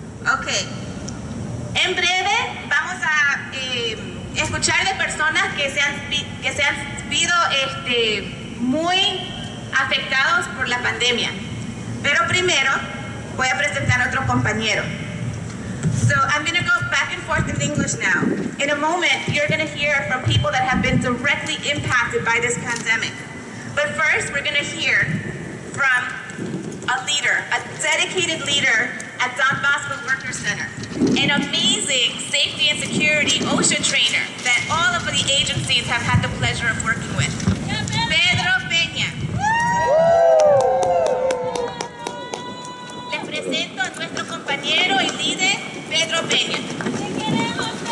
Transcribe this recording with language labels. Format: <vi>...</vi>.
<es>Ok. En breve vamos a escuchar de personas que se han visto muy afectados por la pandemia. Pero primero voy a presentar a otro compañero.</es> <en>So I'm going to go back and forth in English now. In a moment, you're going to hear from people that have been directly impacted by this pandemic. But first, we're going to hear from a leader, a dedicated leader at Don Bosco Workers Center, an amazing safety and security OSHA trainer that all of the agencies have had the pleasure of working with, Pedro Peña.</en> <es>Les presento a nuestro compañero y líder, Pedro Peña.</es>